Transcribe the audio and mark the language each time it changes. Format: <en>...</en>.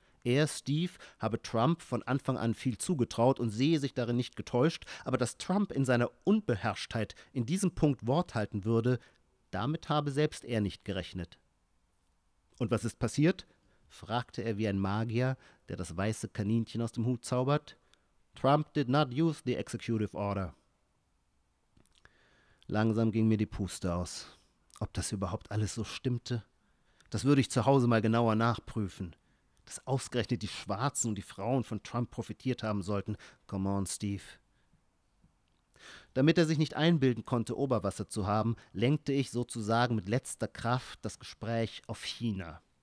<de>Er, Steve, habe Trump von Anfang an viel zugetraut und sehe sich darin nicht getäuscht, aber dass Trump in seiner Unbeherrschtheit in diesem Punkt Wort halten würde, damit habe selbst er nicht gerechnet. Und was ist passiert? Fragte er wie ein Magier, der das weiße Kaninchen aus dem Hut zaubert.</de> <en>Trump did not use the executive order.</en> <de>Langsam ging mir die Puste aus. Ob das überhaupt alles so stimmte? Das würde ich zu Hause mal genauer nachprüfen. Dass ausgerechnet die Schwarzen und die Frauen von Trump profitiert haben sollten.</de> <en>Come on, Steve.</en> <de>Damit er sich nicht einbilden konnte, Oberwasser zu haben, lenkte ich sozusagen mit letzter Kraft das Gespräch auf China.</de>